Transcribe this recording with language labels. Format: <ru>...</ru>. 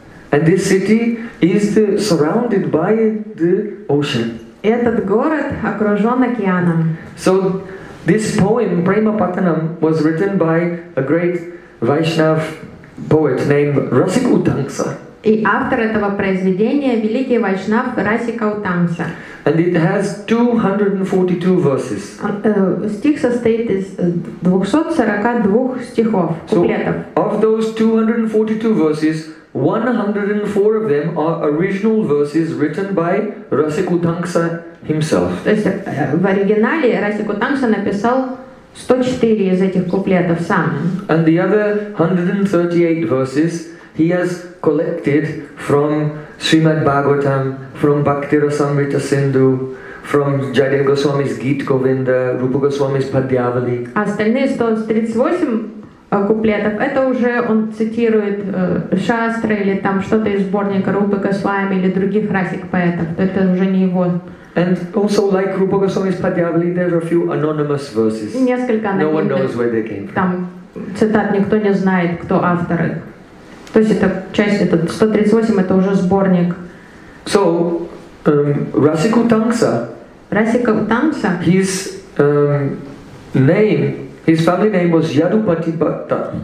<en>And this city is surrounded by the ocean.</en> <ru>Этот город окружён океаном.</ru> <en>So this poem Premapattanam was written by a great Vaishnav poet named Rasika Utangsa.</en> <ru>И автор этого произведения великий Вайшнав Расика Утангса.</ru> <en>And it has 242 verses.</en> <ru>Стих состоит из 242 стихов, куплетов.</ru> <en>So of those 242 verses, 104 of them are original verses written by Rasika Utangsa himself.</en> <ru>То есть в оригинале Расика Утангса написал 104 из этих куплетов сам.</ru> <en>And the other 138 verses he has collected from Srimad Bhagavatam, from Bhakti Rasamrita Sindhu, from Jayadeva Goswami's Git Govinda, Rupa Goswami's Padyavali.</en> <ru>Остальные 138 куплетов это уже он цитирует шастры или там что-то из сборника Рупы Госвами или других расик поэтов. Это уже не его.</ru> <en>And also, like Rupa Goswami's Padyavali, there are a few anonymous verses.</en> <ru>Несколько</ru> <en>anonymous. No one knows where they came from.</en> <ru>Там цитат никто не знает, кто авторы. То есть это часть, это 138, это уже сборник.</ru> <en>So, Rasika Utangsa. Rasika Utangsa. His name, his family name was Yadupati Bhatta.</en>